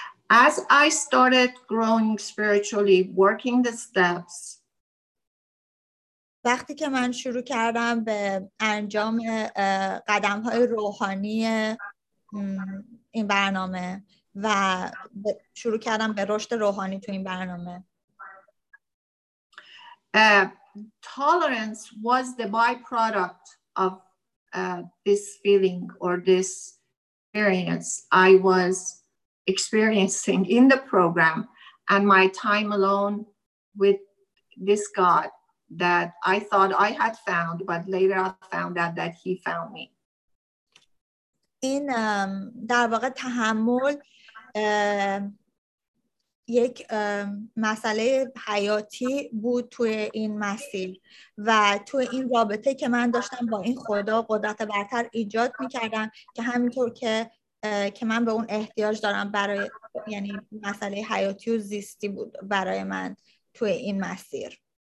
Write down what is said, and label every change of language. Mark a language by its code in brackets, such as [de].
[en] As I started growing spiritually, working the steps. [fa] وقتی که من شروع کردم به انجام قدم‌های روحانی این برنامه و شروع کردم به رشد روحانی تو این برنامه. [en] Tolerance was the byproduct of this feeling or this experience I was experiencing in the program and my time alone with this God that I thought I had found, but later I found out that he found me. [fa] این در واقع تحمل یک مسئله حیاتی بود توی این مسیر و توی این رابطه که من داشتم با این خدا قدرت برتر ایجاد می‌کردم که همینطور که من به اون احتیاج دارم برای یعنی مسئله حیاتی و زیستی بود برای من توی این مسیر.